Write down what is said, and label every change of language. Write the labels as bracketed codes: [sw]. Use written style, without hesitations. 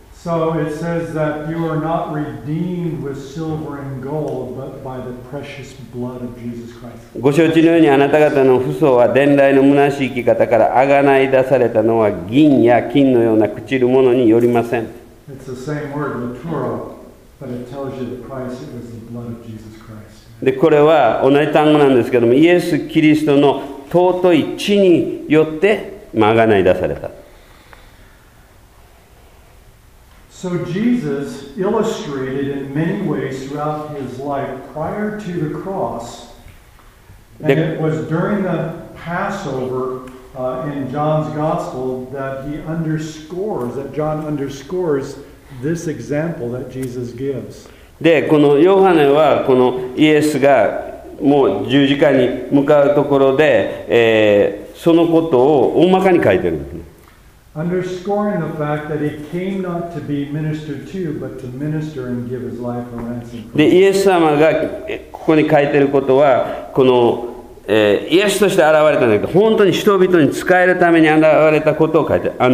[en] So it says that you are not redeemed with silver and gold, but by the precious blood of Jesus Christ. [ja] ご承知のようにあなた方の父祖は伝来の虚しい生き方から贖い出されたのは銀や金のような朽ちるものによりません。 [en] It's the same word, lutura, but it tells you the price it was the blood of Jesus Christ. [ja] でこれは同じ単語なんですけども、イエス・キリストの尊い血によって贖い出された。 [en] So Jesus illustrated in many ways throughout his life prior to the cross, and it was during the Passover in John's Gospel that he underscores, that John underscores this example that Jesus gives. [ja] で、このヨハネはこのイエスがもう十字架に向かうところで、そのことを大まかに書いてるんですね。 [en] Underscoring the fact that he came not to be ministered to, but to minister and give his life a ransom. [ja] で、イエス様がここに書いてることは、この、イエスとして現れたんだけど、本当に人々に使えるために現れたことを書いて、